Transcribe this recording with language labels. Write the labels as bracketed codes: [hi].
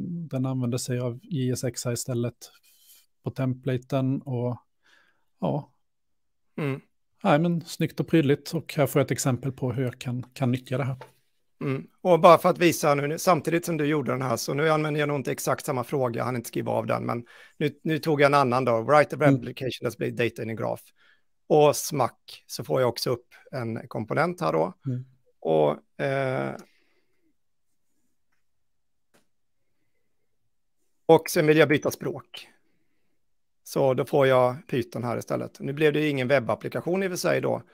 [sv] Den använder sig av JSX istället på templaten och ja. Nej, men snyggt och prydligt, och här får jag ett exempel på hur jag kan nyttja det här. Och bara för att visa nu, samtidigt som du gjorde den här, så nu använder jag nog inte exakt samma fråga, han inte skriva av den, men nu tog jag en annan då. [en] Write a web application that's been data in a graph. [sv] Och smack, så får jag också upp en komponent här då. Mm. Och och sen vill jag byta språk. Så då får jag Python här istället. Nu blev det ju ingen webbapplikation i och för sig då.